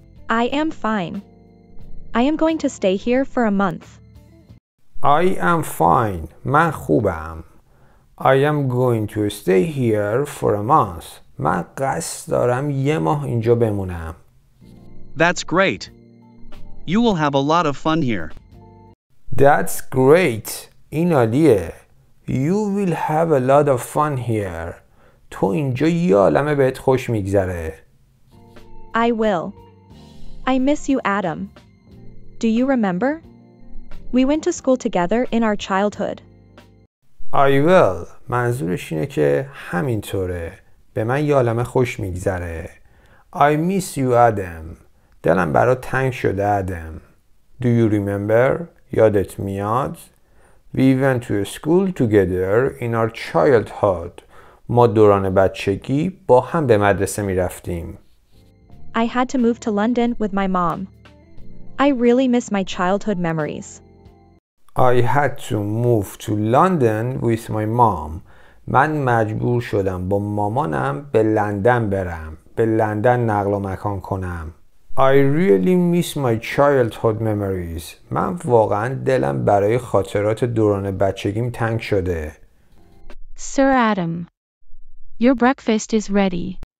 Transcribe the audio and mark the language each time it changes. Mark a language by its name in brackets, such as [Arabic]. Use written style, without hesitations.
[English] I am fine. I am going to stay here for a month. I am fine. [Persian] من خوبم. [English] I am going to stay here for a month. [Persian] من قصد دارم یه ماه اینجا بمونم. [English] That's great. You will have a lot of fun here. That's great. [Persian] این عالیه. [English] You will have a lot of fun here. [Persian] تو اینجا یه عالمه بهت خوش میگذره. [English] I will. I miss you, Adam. Do you remember? We went to school together in our childhood. I will. [Persian] منظورش اینه که همینطوره. به من یه عالمه خوش میگذره. [English] I miss you, Adam. [Persian] دلم برات تنگ شده, Adam. [English] Do you remember? [Persian] یادت میاد؟ [English] We went to school together in our childhood. [Persian] ما دوران بچگی با هم به مدرسه می رفتیم. [English] I had to move to London with my mom. I really miss my childhood memories. I had to move to London with my mom. [Persian] من مجبور شدم با مامانم به لندن برم. به لندن نقل مکان کنم. [English] I really miss my childhood memories. [Persian] من واقعا دلم برای خاطرات دوران بچگیم تنگ شده. [English] Sir Adam, your breakfast is ready.